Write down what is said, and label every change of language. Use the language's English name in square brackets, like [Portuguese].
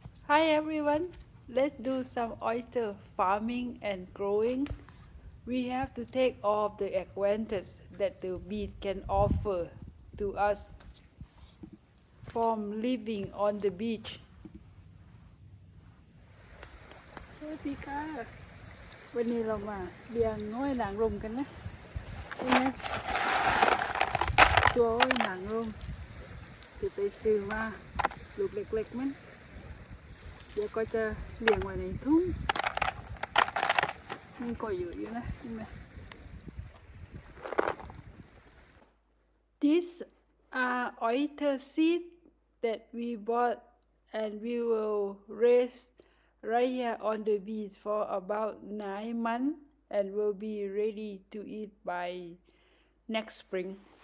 [English] Hi everyone, let's do some oyster farming and growing. We have to take all of the advantages that the beach can offer to us from living on the beach. [Thai] สวัสดีค่ะวันนี้เรามาเลี้ยงหอยนางรมกันนะใช่ไหมตัวหอยนางรมจะไปซื้อมาลูกเล็กๆมันเดี๋ยวก็จะเลี้ยงไว้ในทุ่งมันก็เยอะอยู่นะใช่ไหม [English] These are oyster seeds that we bought and we will raise right here on the beach for about 9 months and will be ready to eat by next spring.